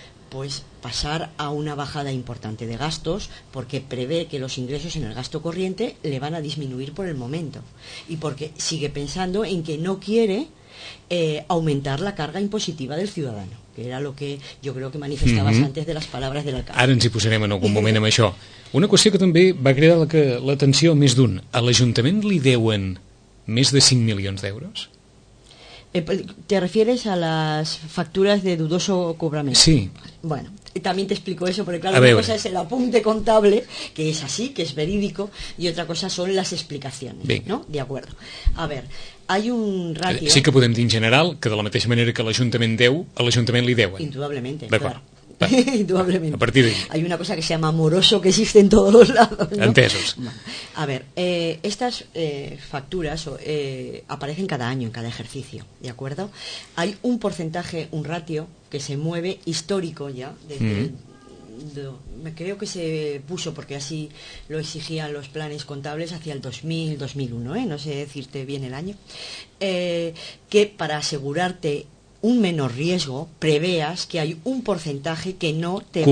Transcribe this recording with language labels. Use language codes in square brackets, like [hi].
[es] Pues pasar a una bajada importante de gastos, porque prevé que los ingresos en el gasto corriente le van a disminuir por el momento, y porque sigue pensando en que no quiere aumentar la carga impositiva del ciudadano, que era lo que yo creo que manifestabas antes de las palabras del alcalde. [ca] Ara ens hi posarem en algun moment amb això. Una qüestió que també va cridar l'atenció més d'un. A l'Ajuntament li deuen més de 5 milions d'euros? [es] ¿Te refieres a las facturas de dudoso cobramiento? Sí. Bueno, también te explico eso, porque claro, una cosa es el apunte contable, que es así, que es verídico, y otra cosa son las explicaciones. Bien. ¿No? De acuerdo. A ver, hay un ratio... [ca] Sí que podem dir en general que de la mateixa manera que l'Ajuntament deu, a l'Ajuntament li deuen. [es] Indudablemente, [ca] d'acord. [es] Claro. Indudablemente. A partir de... Hay una cosa que se llama amoroso que existe en todos los lados, ¿no? [ca] Entesos. [es] A ver, estas facturas aparecen cada año, en cada ejercicio, ¿de acuerdo? Hay un porcentaje, un ratio, que se mueve histórico ya desde creo que se puso porque así lo exigían los planes contables hacia el 2000-2001, no sé decirte bien el año, que para asegurarte un menor riesgo, preveas que hay un porcentaje que no te